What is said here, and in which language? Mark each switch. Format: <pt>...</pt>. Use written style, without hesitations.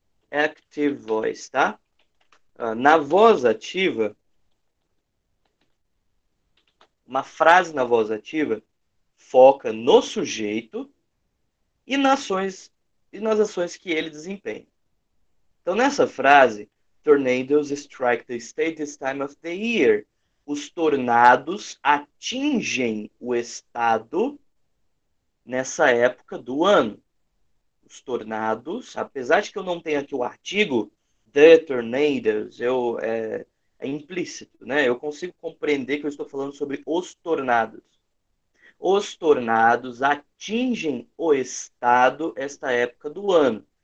<en>Active voice,</en> <pt>tá? Na voz ativa. Uma frase na voz ativa foca no sujeito e nas ações que ele desempenha. Então, nessa frase,</pt> <en>tornadoes strike the state this time of the year.</en> <pt>Os tornados atingem o estado nessa época do ano. Os tornados, apesar de que eu não tenha aqui o artigo,</pt> <en>the tornadoes,</en> <pt>é implícito, né? Eu consigo compreender que eu estou falando sobre os tornados. Os tornados atingem o estado esta época do ano.</pt>